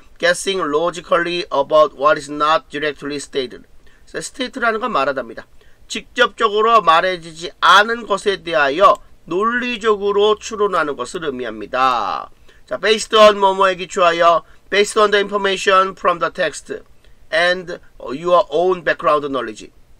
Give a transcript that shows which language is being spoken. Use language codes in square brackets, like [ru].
[en] guessing logically about what is not directly stated. [ko] state라는 건 말하답니다. 직접적으로 말해지지 않은 것에 대하여 논리적으로 추론하는 것을 의미합니다. [en] 자, based on [ko] 뭐뭐에 기초하여 [en] based on the information from the text and your own background knowledge.